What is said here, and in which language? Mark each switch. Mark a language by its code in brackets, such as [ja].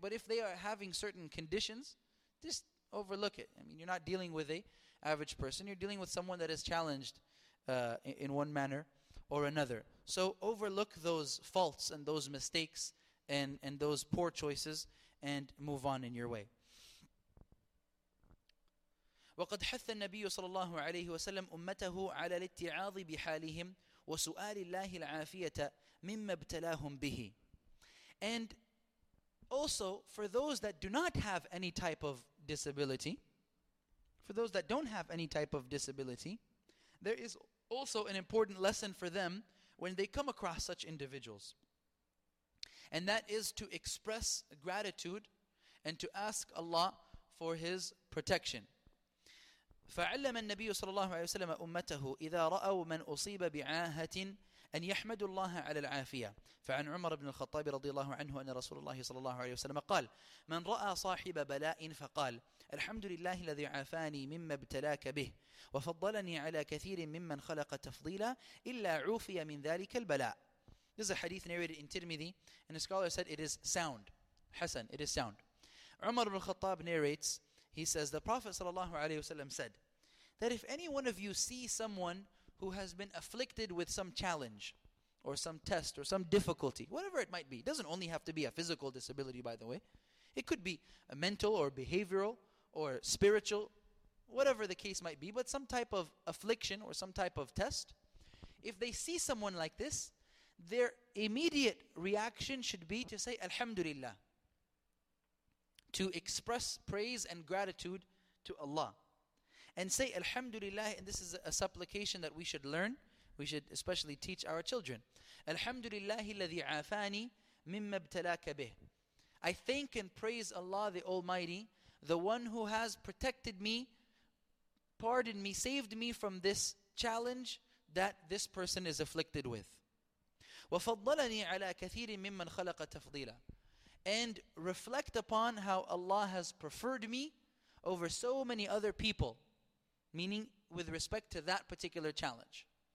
[en] But if they are having certain conditions, just overlook it. I mean, you're not dealing with an average person. You're dealing with someone that is challenged in one manner or another. So overlook those faults and those mistakes and those poor choices and move on in your way. [ar] وقد حث النبي صلى الله عليه وسلم أمته على الاتعاظ بحالهم وسؤال الله العافية مما ابتلاهم به. [en] And also for those that do not have any type of disability, for those that don't have any type of disability, there is also an important lesson for them when they come across such individuals. And that is to express gratitude and to ask Allah for His protection. [ar] فعلم النبي صلى الله عليه وسلم أمته إذا رأوا من أصيب بعاهة أن يحمدوا الله على العافية. فعن عمر بن الخطاب رضي الله عنه أن رسول الله صلى الله عليه وسلم قال: من رأى صاحب بلاء فقال: الحمد لله الذي عافاني مما ابتلاك به وفضلني على كثير ممن خلق تفضيلا إلا عوفي من ذلك البلاء. [en] This is a hadith narrated in Tirmidhi, and a scholar said it is sound. Hassan, it is sound. Umar ibn al-Khattab narrates, he says, the Prophet sallallahu alayhi wa sallam said that if any one of you see someone who has been afflicted with some challenge or some test or some difficulty, whatever it might be, it doesn't only have to be a physical disability, by the way. It could be a mental or behavioral or spiritual, whatever the case might be, but some type of affliction or some type of test. If they see someone like this, their immediate reaction should be to say, Alhamdulillah. To express praise and gratitude to Allah. And say, Alhamdulillah, and this is a supplication that we should learn, we should especially teach our children. [ar] Alhamdulillah, الذي عافاني مما ابتلاك به. [en] I thank and praise Allah the Almighty, the one who has protected me, pardoned me, saved me from this challenge that this person is afflicted with. [ar] وفضلني على كثير ممن خلق تفضيلا. [en] And reflect upon how Allah has preferred me over so many other people, meaning with respect to that particular challenge.